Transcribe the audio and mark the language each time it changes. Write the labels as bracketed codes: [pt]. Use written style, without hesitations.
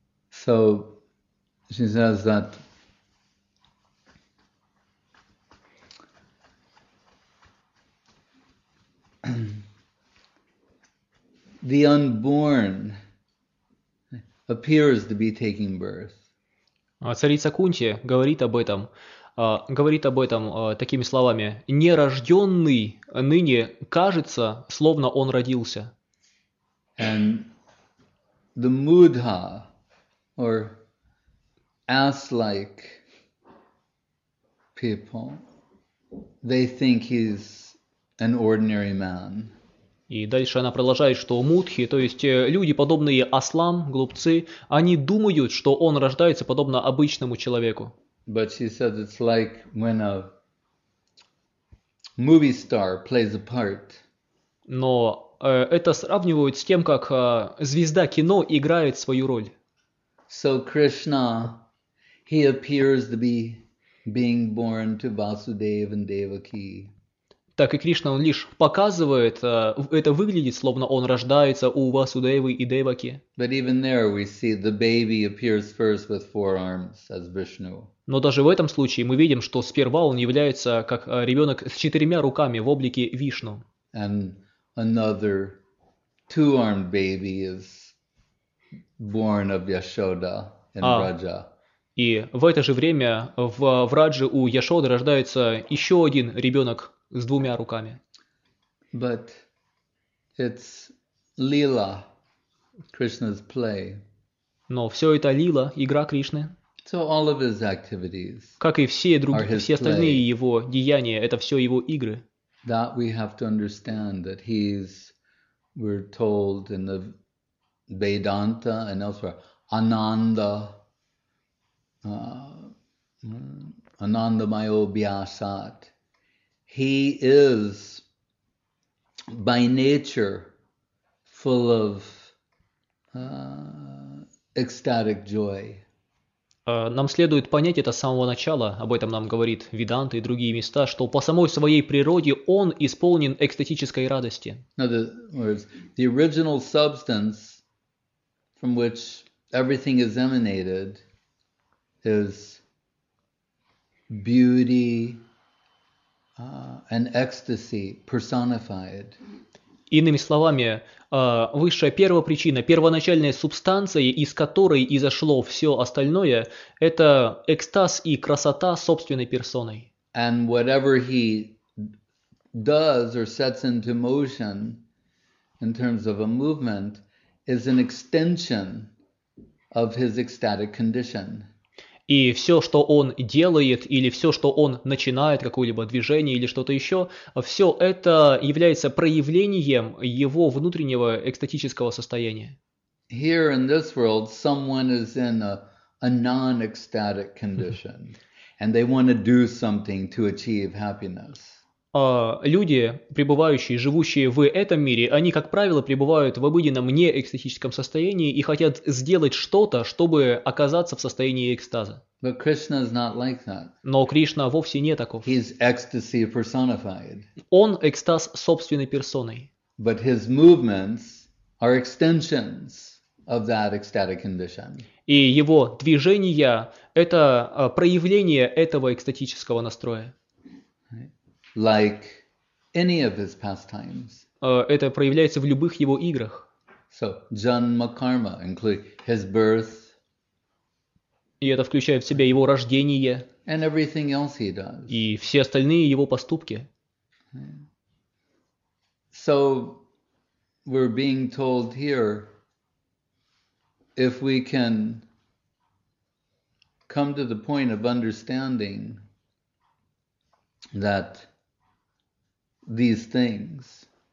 [en] So she says that the unborn appears to be taking birth. [ru] Царица Кунти говорит об этом такими словами: «Нерожденный ныне кажется, словно он родился». [en] And the mudha, or ass-like people, they think he's an ordinary man. [ru] И дальше она продолжает, что мудхи, то есть люди, подобные ослам, глупцы, они думают, что он рождается подобно обычному человеку. [en] But she said it's like when a movie star plays a part. [ru] Но это сравнивают с тем, как звезда кино играет свою роль. [en] So Krishna, he appears to be being born to Vasudeva and Devaki. [ru] Так и Кришна, он лишь показывает, это выглядит, словно он рождается у Васудевы и Деваки. [en] But even there we see the baby appears first with four arms as Vishnu. [ru] Но даже в этом случае мы видим, что сперва он является как ребенок с четырьмя руками в облике Вишну. [en] And another two-armed baby is born of Yashoda and Raja. [ru] И в это же время в Врадже у Яшоды рождается еще один ребенок с двумя руками. [en] But it's Lila, Krishna's play. [ru] Но все это лила, игра Кришны. [en] So all of his activities [ru] Как и все [en] are [ru] другие, [en] his [ru] все остальные его деяния, это все его игры. [en] That we have to understand that he's, we're told in the Vedanta and elsewhere, [sa] Ananda, Anandamayo Vyasat. [en] He is by nature full of ecstatic joy. [ru] Нам следует понять это с самого начала, об этом нам говорит Веданта и другие места, что по самой своей природе он исполнен экстатической радости. [en] In other words, the original substance from which everything is emanated is beauty, and ecstasy personified. [ru] Иными словами, высшая первопричина, первоначальная субстанция, из которой изошло все остальное, это экстаз и красота собственной персоной. [en] And whatever he does or sets into motion in terms of a movement is an extension of his ecstatic condition. [ru] И все, что он делает, или все, что он начинает, какое-либо движение или что-то еще, все это является проявлением его внутреннего экстатического состояния. [en] Here in this world, someone is in a non-ecstatic condition, and they want to do something to achieve happiness. [ru] Люди, пребывающие, живущие в этом мире, они, как правило, пребывают в обыденном неэкстатическом состоянии и хотят сделать что-то, чтобы оказаться в состоянии экстаза. [en] But Krishna is not like that. [ru] Но Кришна вовсе не таков. [en] He's ecstasy personified. [ru] Он экстаз собственной персоной. [en] But his movements are extensions of that ecstatic condition. [ru] И его движения – это проявление этого экстатического настроя. [en] Like any of his pastimes. [ru] Это проявляется в любых его играх. [en] So, janma karma includes his birth. [ru] И это включает в себя его рождение. [en] And everything else he does. [ru] И все остальные его поступки. [en] So, we're being told here, if we can come to the point of understanding that these things,